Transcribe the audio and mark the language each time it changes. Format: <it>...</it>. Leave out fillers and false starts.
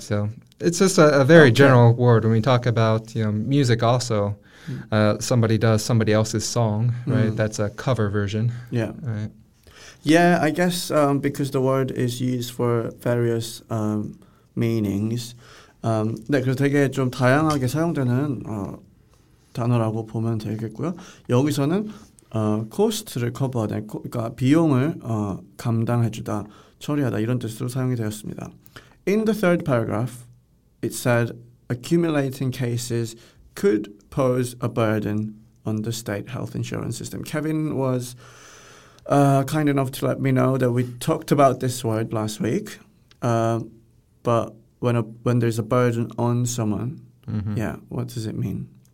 <en>So it's just a very general word when we talk about music. Also, somebody does somebody else's song. Right. That's a cover version. Yeah. Right. Yeah, I guess because the word is used for various meanings.</en> <ko>네, 그래서 되게 좀 다양하게 사용되는. 단어라고 보면 되겠고요. 여기서는 cost를 커버하다, 그러니까 비용을 감당해주다, 처리하다 이런 뜻으로 사용이 되었습니다.</ko> <en>In the third paragraph, it said accumulating cases could pose a burden on the state health insurance system. Kevin was kind enough to let me know that we talked about this word last week, but when there's a burden on someone, what does it mean?</en>